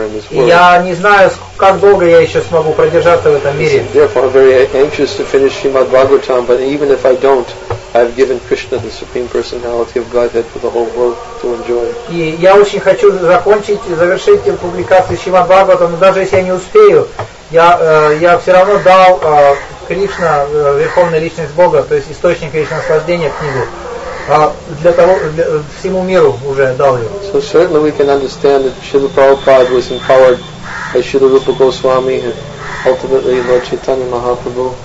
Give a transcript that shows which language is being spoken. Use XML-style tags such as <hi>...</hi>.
<ru>И я не знаю, как долго я еще смогу продержаться в этом мире.</ru> <en>Therefore, I'm very anxious to finish Srimad Bhagavatam, but even if I don't, I've given Krishna the Supreme Personality of Godhead for the whole world to enjoy.</en> <ru>И я очень хочу закончить, завершить публикацию Шримад Бхагаватам, но даже если я не успею, я все равно дал Кришна, Верховная Личность Бога, то есть источник Кришна наслаждения книгу, всему миру уже дал ее.</ru> <en>So certainly we can understand that Srila Prabhupada was empowered by Srila Rupa Goswami and ultimately Lord Chaitanya Mahaprabhu.</en>